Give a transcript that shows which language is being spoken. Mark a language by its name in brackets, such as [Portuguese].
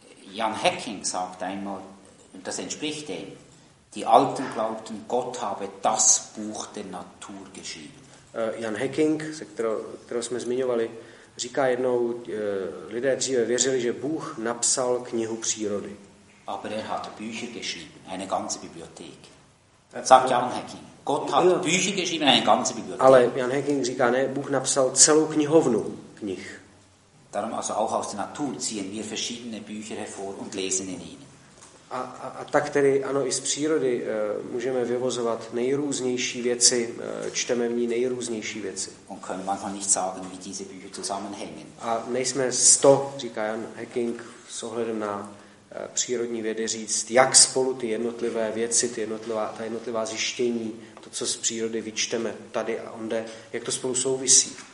[German] Jan Hacking sagt einmal, das entspricht dem, die Alten glaubten, Gott habe das Buch der Natur geschrieben. [Czech] Jan Hacking, kterého jsme zmiňovali, říká jednou, lidé dříve věřili, že Bůh napsal knihu přírody. [German] Aber er hat Bücher geschrieben, eine ganze Bibliothek. Sagt Jan Hacking. Gott hat Bücher geschrieben, eine ganze Bibliothek. [Czech] Ale Jan Hacking říká, ne, Bůh napsal celou knihovnu knih. [German] Darum also auch aus der Natur ziehen wir verschiedene Bücher hervor und lesen in ihnen. [Czech] A tak tedy ano, i z přírody můžeme vyvozovat nejrůznější věci, čteme v ní nejrůznější věci. [German] Und können manchmal nicht sagen, wie diese Bücher zusammenhängen. [Czech] A nejsme z toho, říká Jan Hacking, s ohledem na přírodní vědy říct, jak spolu ty jednotlivé věci, ta jednotlivá zjištění, to, co z přírody vyčteme tady a onde, jak to spolu souvisí.